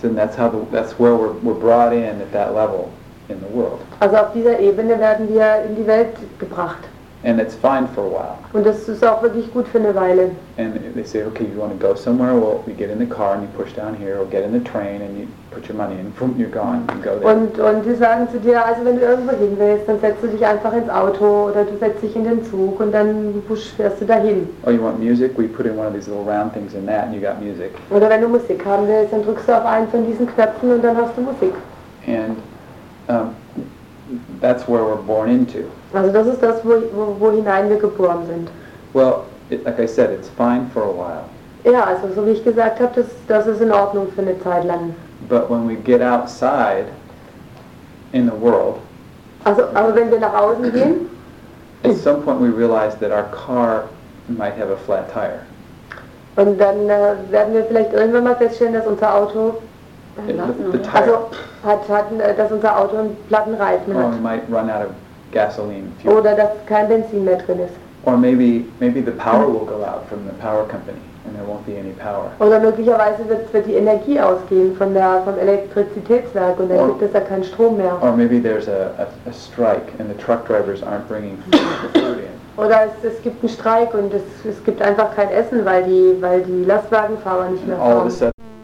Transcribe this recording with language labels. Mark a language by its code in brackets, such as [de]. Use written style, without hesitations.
[en] So that's how that's where we're brought in at that level in the world. [de] Also auf dieser Ebene werden wir in die Welt gebracht. [en] And it's fine for a while. [de] Und das ist auch wirklich gut für eine Weile. [en] And they say, okay, you want to go somewhere? Well, you get in the car and you push down here, or get in the train and you put your money in, boom, you're gone, you go there. [de] Und die sagen zu dir, also wenn du irgendwo hin willst, dann setzt du dich einfach ins Auto oder du setzt dich in den Zug und dann fährst du dahin. [en] Oh, you want music? We put in one of these little round things in that and you got music. [de] Oder wenn du Musik haben willst, dann drückst du auf einen von diesen Knöpfen und dann hast du Musik. [en] And that's where we're born into. [de] Also das ist das, wo hinein wir geboren sind. [en] Well, like I said, it's fine for a while. [de] Ja, also so wie ich gesagt habe, das ist in Ordnung für eine Zeit lang. [en] But when we get outside in the world, [de] also wenn wir nach außen gehen, [en] at some point we realize that our car might have a flat tire. [de] Und dann werden wir vielleicht irgendwann mal feststellen, dass unser Auto dass unser Auto einen platten Reifen hat. [en] Or we might run out of gasoline fuel. [de] Oder dass kein Benzin mehr drin ist. [en] Or maybe the power will go out from the power company and there won't be any power. [de] Oder möglicherweise wird die Energie ausgehen vom Elektrizitätswerk und dann gibt es da keinen Strom mehr. [en] Or maybe there's a strike and the truck drivers aren't bringing food in. [de] Oder es gibt einen Streik und es gibt einfach kein Essen, weil die Lastwagenfahrer nicht mehr fahren.